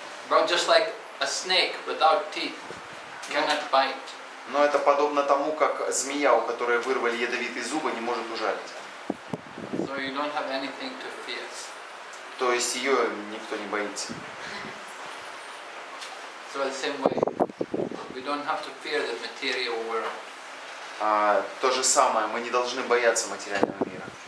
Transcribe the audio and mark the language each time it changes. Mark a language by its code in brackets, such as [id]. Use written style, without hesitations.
[en] Well, just like a snake without teeth cannot bite. [ru] Но это подобно тому, как змея, у которой вырвали ядовитые зубы, не может ужалить. [en] So you don't have anything to fear. [ru] То есть ее никто не боится. [en] So the same way, we don't have to fear the material world. [ru] То же самое, мы не должны бояться материального мира.